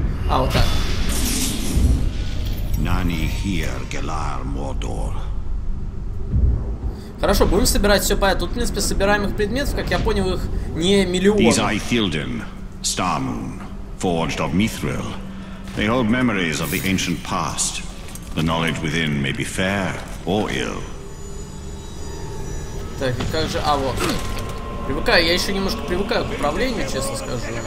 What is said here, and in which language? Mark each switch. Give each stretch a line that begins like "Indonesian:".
Russian: А вот так. Нани хир Гелар Мордор. Хорошо, будем собирать все по этому. Тут, в принципе, собираемых предметов, как я понял, их не миллион.
English: These Ithildin, Starmoon, forged of Mithril. They hold memories of the ancient past. The knowledge within may be fair or ill.
Russian: Так, и как же... А, вот. Привыкаю, я еще немножко привыкаю к управлению, честно скажу.